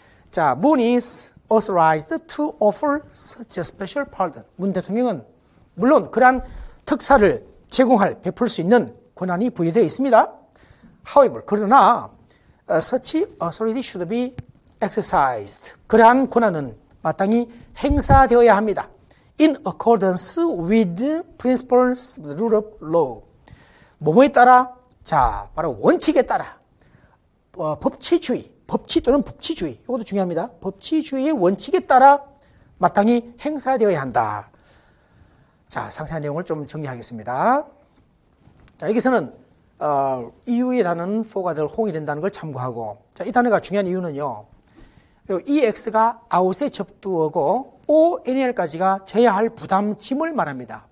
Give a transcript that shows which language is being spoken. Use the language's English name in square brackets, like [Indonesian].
[English] 자, Moon is authorized to offer such a special pardon. [Korean] 문 대통령은 물론 그러한 특사를 제공할, 베풀 수 있는 권한이 부여되어 있습니다. [English] However, [Korean] 그러나 [English] such authority should be exercised. [Korean] 그러한 권한은 마땅히 행사되어야 합니다. [English] In accordance with principles of the rule of law. [Korean] 뭐뭐에 따라 자, 바로 원칙에 따라 법치주의, 법치 또는 법치주의, 이것도 중요합니다. 법치주의의 원칙에 따라 마땅히 행사되어야 한다. 자, 상세한 내용을 좀 정리하겠습니다. 자, 여기서는 이유라는 for가 될 홍이 된다는 걸 참고하고, 자, 이 단어가 중요한 이유는요, 이 EX가 out에 접두어고 ONL까지가 져야 할 부담, 짐을 말합니다.